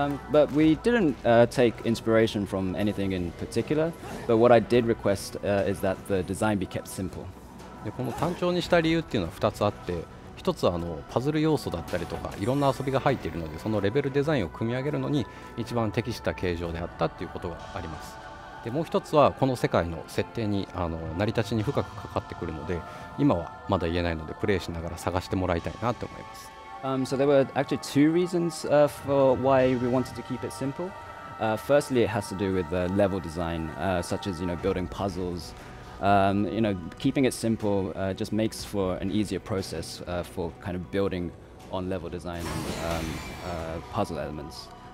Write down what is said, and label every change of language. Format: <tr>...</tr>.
<en>But we didn't take inspiration from anything in particular, but what I did request is that the design be kept simple.</en> <ja>で、この単調にした理由っていうのは2つあって、1つはパズル要素だったりとか、いろんな遊びが入っているので、そのレベルデザインを組み上げるのに一番適した形状であったっていうことがあります。で、もう1つはこの世界の設定に成り立ちに深く関わってくるので、今はまだ言えないので、プレイしながら探してもらいたいなと思います。</ja> <en>So there were actually two reasons for why we wanted to keep it simple. Firstly, it has to do with the level design, such as, you know, building puzzles. You know, keeping it simple just makes for an easier process for kind of building on level design and puzzle elements.</en>